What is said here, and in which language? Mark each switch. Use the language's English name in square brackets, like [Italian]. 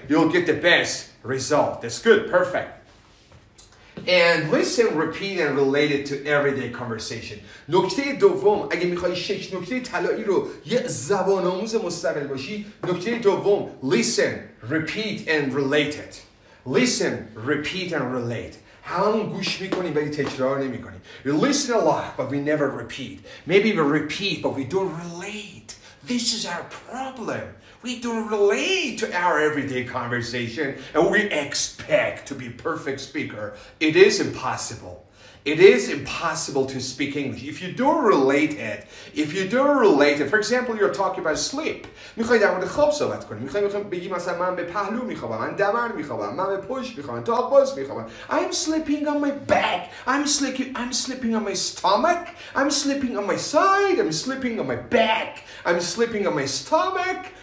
[English] You'll get the best result. That's good. Perfect. And listen, repeat, and relate it to everyday conversation. [Persian] نکته دوم، اگه میخوایی شش نکته طلایی رو یه زبان آموز مستقل باشی، نکته دوم، [English] listen, repeat, and relate it. Listen, repeat, and relate. [Persian] همون گوش میکنیم ولی تکرار نمیکنیم. [English] We listen a lot, but we never repeat. Maybe we repeat, but we don't relate. This is our problem. We don't relate to our everyday conversation and we expect to be perfect speaker. It is impossible. It is impossible to speak English. If you don't relate it, if you don't relate it, for example, you're talking about sleep. [Persian] میخوای در مورد خواب صحبت کنی. میخوای بگی مثلا من به پهلو میخوابم. من دمر میخوابم. من به پشت میخوابم. تاق باز میخوابم. [English] I'm sleeping on my back. I'm sleeping on my stomach. I'm sleeping on my side. I'm sleeping on my back. I'm sleeping on my stomach.